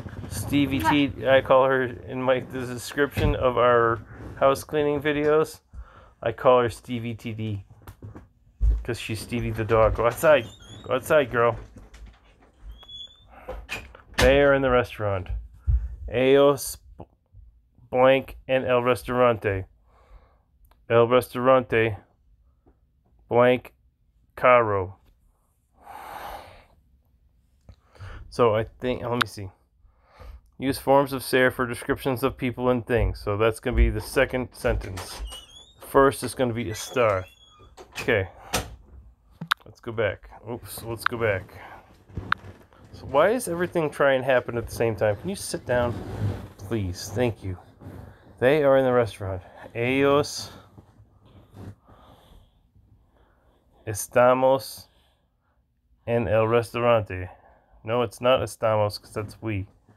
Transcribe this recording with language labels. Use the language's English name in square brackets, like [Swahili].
[English] Stevie T, I call her in my the description of our house cleaning videos. I call her Stevie TD. Because she's Stevie the dog. Go outside. Go outside, girl. They are in the restaurant. [Spanish] Ellos blank and el restaurante. El restaurante blank caro. [English] So I think, let me see. Use forms of ser for descriptions of people and things. So that's going to be the second sentence. First is going to be estar. Okay. Let's go back. Oops, let's go back. So why is everything trying to happen at the same time? Can you sit down? Please, thank you. They are in the restaurant. [Spanish] Ellos estamos en el restaurante. [English] No, it's not estamos because that's we.